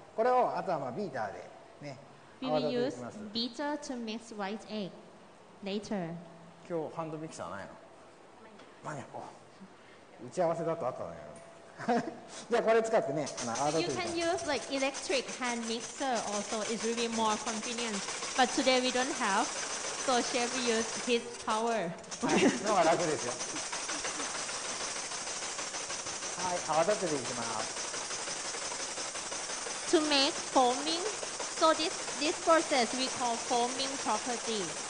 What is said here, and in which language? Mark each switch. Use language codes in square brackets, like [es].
[ja] これをあとはまあビーターでね。 [en] We will use beater to mix white egg later. [ja] 今日ハンドミキサーないの？マニアコ。打ち合わせだとあったのよ。じゃあこれ使ってね、あの泡立てる。 [en] You can use like electric hand mixer also. It's really more convenient. But today we don't have, so chef use his power. [ja] の方が楽ですよ。はい、泡立てていきます。 [en] To make foaming, so this process we call foaming property.